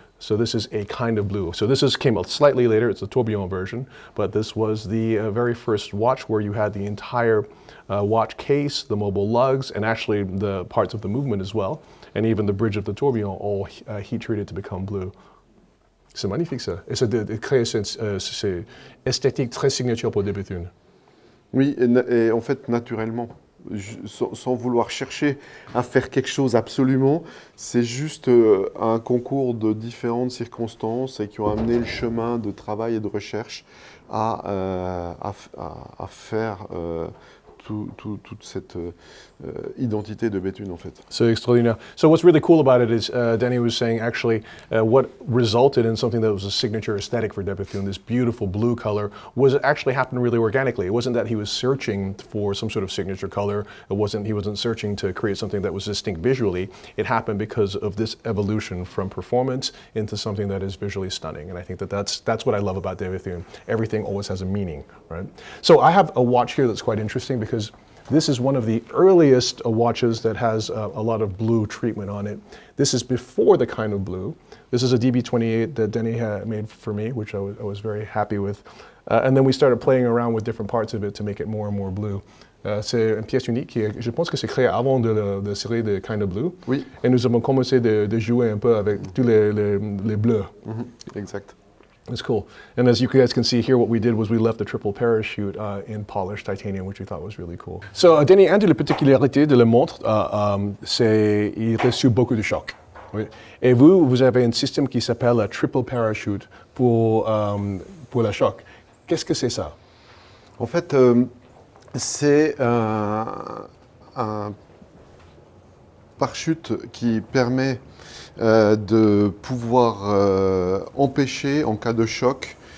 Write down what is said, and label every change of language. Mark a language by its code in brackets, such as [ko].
[en] So this is a kind of blue. So this came out slightly later. It's a tourbillon version. But this was the very first watch where you had the entire watch case, the mobile lugs, and actually the parts of the movement as well, and even the bridge of the tourbillon, all heat treated to become blue. [fr] C'est magnifique, ça. Et ça crée cette esthétique très signature pour Bethune. Oui, et en fait, naturellement. Sans vouloir chercher à faire quelque chose absolument, c'est juste un concours de différentes circonstances et qui ont amené le chemin de travail et de recherche à faire toute cette identité de Bethune, en fait. C'est extraordinaire. [en] So what's really cool about it is, Denny was saying, actually, what resulted in something that was a signature aesthetic for Bethune, this beautiful blue color, was it actually happened really organically. It wasn't that he was searching for some sort of signature color. He wasn't searching to create something that was distinct visually. It happened because of this evolution from performance into something that is visually stunning. And I think that that's what I love about Bethune. Everything always has a meaning, right? So I have a watch here that's quite interesting, because this is one of the earliest watches that has a lot of blue treatment on it. This is before the kind of blue. This is a DB28 that Denny made for me, which I was very happy with. And then we started playing around with different parts of it to make it more and more blue. [fr] C'est une pièce unique qui, je pense que c'est créé avant de la série de kind of blue. Oui. Et nous avons commencé de jouer un peu avec tous les bleus. Mm-hmm. Exact. [en] It's cool. And as you guys can see here, what we did was we left the triple parachute in polished titanium, which we thought was really cool. [fr] So, Denny, une des particularités de la montre, c'est qu'il reçut beaucoup de chocs. Oui. Et vous avez un système qui s'appelle la triple parachute pour la choc. Qu'est-ce que c'est ça? En fait, c'est un parachute qui permet de pouvoir empêcher, en cas de choc,